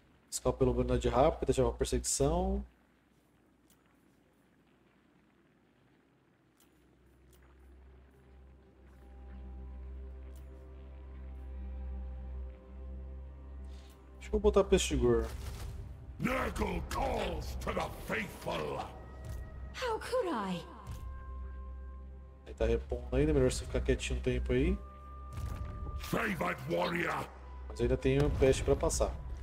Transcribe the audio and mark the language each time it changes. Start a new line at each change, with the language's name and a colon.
Portuguese: Escalpo pela unidade rápida, deixar uma perseguição. Acho que vou botar Pestigor.
English: Nurgle calls to the faithful. How could I?
Portuguese: Ele tá repondo ainda, melhor você ficar quietinho um tempo aí.
English: Favored warrior.
Portuguese: Mas eu ainda tenho um peste pra passar.